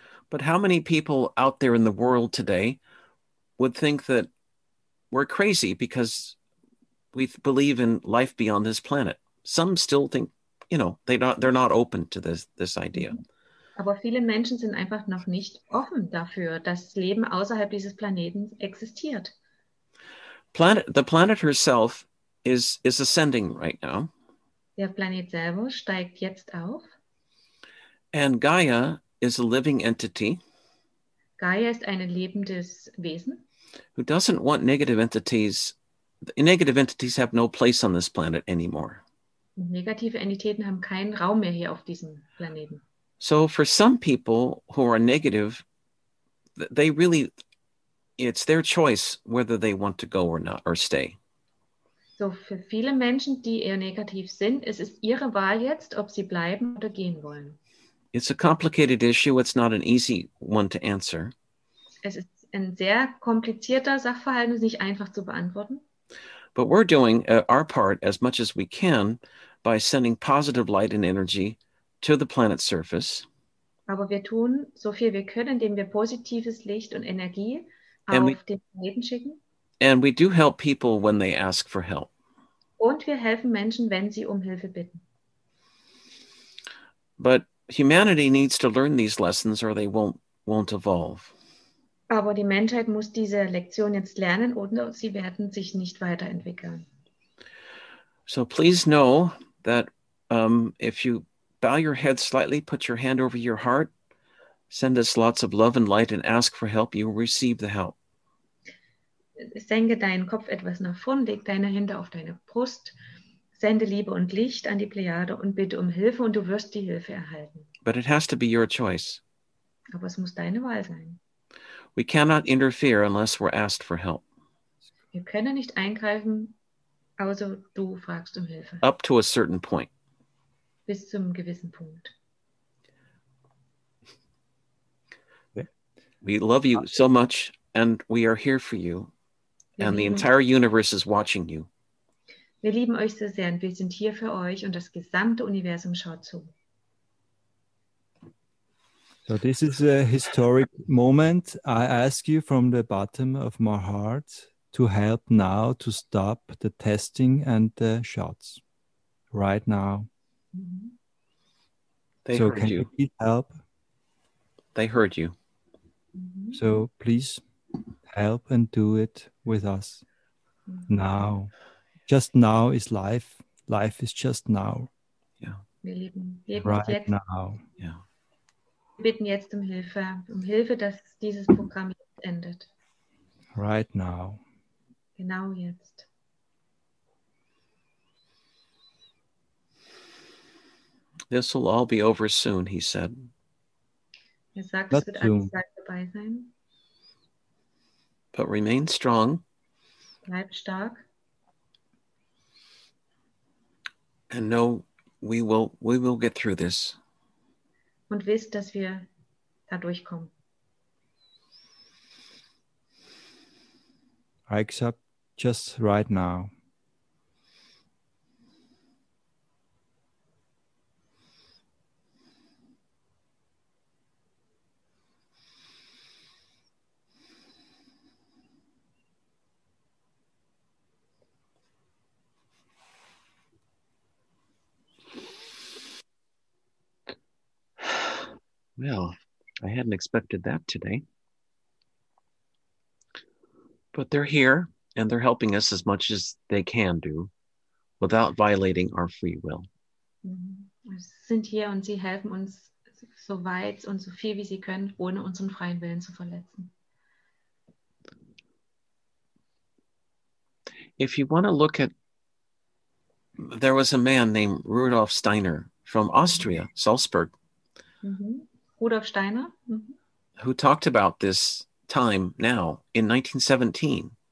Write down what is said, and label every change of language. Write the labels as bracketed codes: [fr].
[en] But how many people out there in the world today would think that we're crazy because we believe in life beyond this planet? Some still think, you know, they're not open to this idea. [de] Aber viele Menschen sind einfach noch nicht offen dafür, dass Leben außerhalb dieses Planeten existiert. [en] The planet herself is ascending right now. [de] Der Planet selber steigt jetzt auf. [en] And Gaia is a living entity. [de] Gaia ist ein lebendes Wesen. [en] Who doesn't want negative entities? Negative entities have no place on this planet anymore. [de] Negative Entitäten haben keinen Raum mehr hier auf diesem Planeten. [en] So for some people who are negative, they really, it's their choice whether they want to go or not or stay. [de] So für viele Menschen, die eher negativ sind, es ist ihre Wahl jetzt, ob sie bleiben oder gehen wollen. [en] It's a complicated issue. It's not an easy one to answer. [de] Es ist ein sehr komplizierter Sachverhalt, nicht einfach zu beantworten. [en] But we're doing our part as much as we can by sending positive light and energy to the planet's surface. [de] Aber wir tun so viel wir können, indem wir positives Licht und Energie auf den Planeten schicken. [en] And we do help people when they ask for help. [de] Und wir helfen Menschen, wenn sie um Hilfe bitten. [en] But humanity needs to learn these lessons or they won't evolve. [de] Aber die Menschheit muss diese Lektion jetzt lernen oder sie werden sich nicht weiterentwickeln. [en] So please know that if you bow your head slightly, put your hand over your heart, send us lots of love and light and ask for help, you will receive the help. [de] Senke deinen Kopf etwas nach vorn, leg deine Hände auf deine Brust. Sende Liebe und Licht an die Plejade und bitte um Hilfe und du wirst die Hilfe erhalten. [en] But it has to be your choice. [de] Aber es muss deine Wahl sein. [en] We cannot interfere unless we're asked for help. [de] Wir können nicht eingreifen, außer du fragst um Hilfe. [en] Up to a certain point. [de] Bis zum gewissen Punkt. [en] We love you so much, and we are here for you, and the entire universe is watching you. [de] Wir lieben euch so sehr, und wir sind hier für euch, und das gesamte Universum schaut zu. [en] So this is a historic moment. I ask you from the bottom of my heart to help now to stop the testing and the shots right now. They so heard can you. You help? They heard you. So please help and do it with us now. Just now is life. Life is just now. Yeah. Right [de] jetzt. [en] Now. Yeah. [de] Wir bitten jetzt um Hilfe, dass dieses Programm jetzt endet. [en] Right now. [de] Genau jetzt. [en] This will all be over soon, he said. [de] Er sagt, es wird alles bald dabei sein. [en] But remain strong. [de] Bleib stark. [en] And know we will get through this. [de] Und wisst, dass wir da durchkommen. [en] I accept just right now. Well, I hadn't expected that today. But they're here, and they're helping us as much as they can do without violating our free will. [de] Sie sind hier und sie helfen uns so weit und so viel wie sie können, ohne unseren freien Willen zu verletzen. [en] If you want to look at, there was a man named Rudolf Steiner from Austria, Salzburg. Rudolf Steiner, who talked about this time now in 1917.